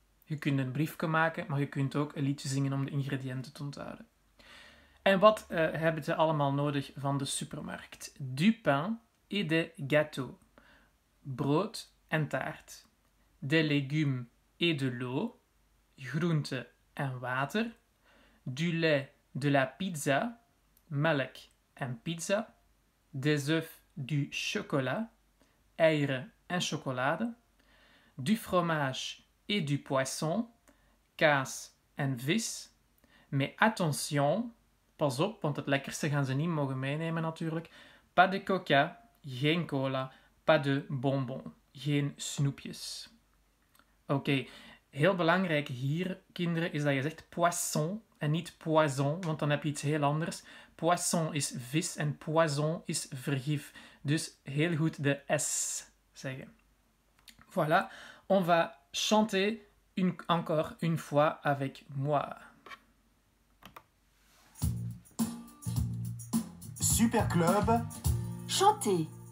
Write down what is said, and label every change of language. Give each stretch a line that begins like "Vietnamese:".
Dutch: Je kunt een briefje maken, maar je kunt ook een liedje zingen om de ingrediënten te onthouden. En wat hebben ze allemaal nodig van de supermarkt?
French: Du pain. Et des gâteaux,
Dutch: brood en taart,
French: des légumes et de l'eau,
Dutch: groente en water,
French: du lait, de la pizza,
Dutch: melk en pizza,
French: des œufs, du chocolat,
Dutch: eieren en chocolade,
French: du fromage et du poisson,
Dutch: kaas en vis.
French: Mais attention,
Dutch: pas op, want het lekkerste gaan ze niet mogen meenemen natuurlijk,
French: pas de coca.
Dutch: Geen cola,
French: pas de bonbon,
Dutch: geen snoepjes. Oké, heel belangrijk hier, kinderen, is dat je zegt poisson en niet poison, want dan heb je iets heel anders. Poisson is vis en poison is vergif. Dus heel goed de S zeggen.
French: Voilà, on va chanter encore une fois avec moi.
English: Super club.
French: Chantez.